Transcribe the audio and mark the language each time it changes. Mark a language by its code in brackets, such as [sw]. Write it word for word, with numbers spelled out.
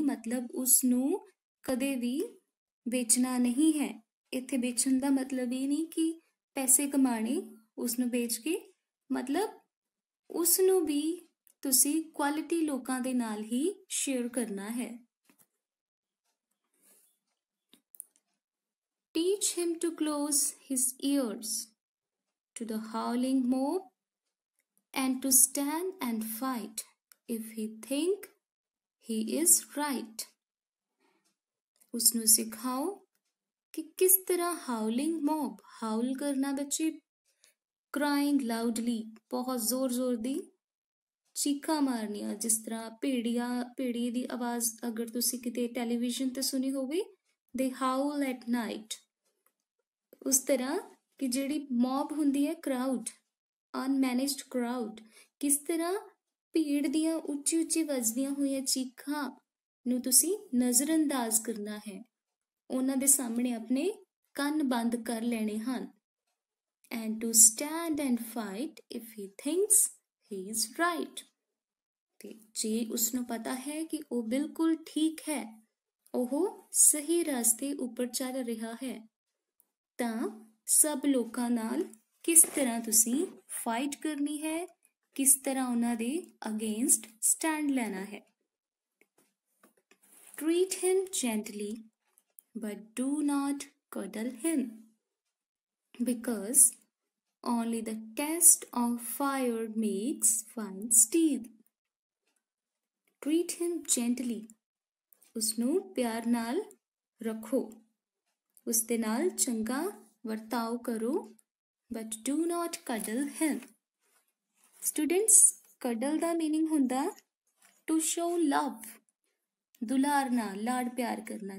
[pa] ਮਤਲਬ ਉਸ ਨੂੰ ਕਦੇ ਵੀ ਵੇਚਣਾ ਨਹੀਂ ਹੈ। ਇੱਥੇ ਵੇਚਣ ਦਾ ਮਤਲਬ ਇਹ ਨਹੀਂ ਕਿ ਪੈਸੇ ਕਮਾਣੇ ਉਸ ਨੂੰ ਵੇਚ ਕੇ, ਮਤਲਬ ਉਸ ਨੂੰ ਵੀ ਤੁਸੀਂ ਕੁਆਲਿਟੀ ਲੋਕਾਂ ਦੇ ਨਾਲ ਹੀ ਸ਼ੇਅਰ ਕਰਨਾ ਹੈ। [en] Teach him to close his ears to the howling mob and to stand and fight if he think he is right. [pa] उसनु सिखाओ कि किस तरह हाउलिंग मॉब, हाउल करना बच्चे, क्राइंग लाउडली, बहुत जोर जोर दी ਚੀਕਾਂ ਮਾਰਨੀਆਂ। ਜਿਸ ਤਰ੍ਹਾਂ ਭੇੜੀਆਂ, ਭੇੜੀ ਦੀ ਆਵਾਜ਼ ਅਗਰ ਤੁਸੀਂ ਕਿਤੇ ਟੈਲੀਵਿਜ਼ਨ ਤੇ ਸੁਣੀ ਹੋਵੇ, [en] The howl at night. [pa] ਉਸ ਤਰ੍ਹਾਂ ਕਿ ਜਿਹੜੀ ਮੌਬ ਹੁੰਦੀ ਹੈ, ਕਰਾਊਡ, ਅਨਮੈਨੇਜਡ ਕਰਾਊਡ, ਕਿਸ ਤਰ੍ਹਾਂ ਭੀੜ ਦੀਆਂ ਉੱਚੀ ਉੱਚੀ ਵੱਜਦੀਆਂ ਹੋਈਆਂ ਚੀਖਾਂ ਨੂੰ ਤੁਸੀਂ ਨਜ਼ਰਅੰਦਾਜ਼ ਕਰਨਾ ਹੈ। ਉਹਨਾਂ ਦੇ ਸਾਹਮਣੇ ਆਪਣੇ ਕੰਨ ਬੰਦ ਕਰ ਲੈਣੇ ਹਨ। [en] And to stand and fight if he thinks he is right. [pa] ਤੇ ਜੇ ਉਸਨੂੰ ਪਤਾ ਹੈ ਕਿ ਉਹ ਬਿਲਕੁਲ ਠੀਕ ਹੈ, ਉਹ ਸਹੀ ਰਸਤੇ ਉੱਪਰ ਚੱਲ ਰਿਹਾ ਹੈ, ਤਾਂ ਸਭ ਲੋਕਾਂ ਨਾਲ ਕਿਸ ਤਰ੍ਹਾਂ ਤੁਸੀਂ ਫਾਈਟ ਕਰਨੀ ਹੈ, ਕਿਸ ਤਰ੍ਹਾਂ ਉਹਨਾਂ ਦੇ ਅਗੇਂਸਟ ਸਟੈਂਡ ਲੈਣਾ ਹੈ। [en] Treat him gently but do not cuddle him because only the taste of fire makes fine steel. Treat him gently, [pa] ਉਸਨੂੰ ਪਿਆਰ ਨਾਲ ਰੱਖੋ, ਉਸ ਦੇ ਨਾਲ ਚੰਗਾ ਵਰਤਾਓ ਕਰੋ, [en] But do not cuddle him. [pa] Students, ਕਡਲ ਦਾ meaning ਹੁੰਦਾ [en] to show love, [pa] ਦੁਲਾਰਨਾ, ਲਾਡ ਪਿਆਰ ਕਰਨਾ।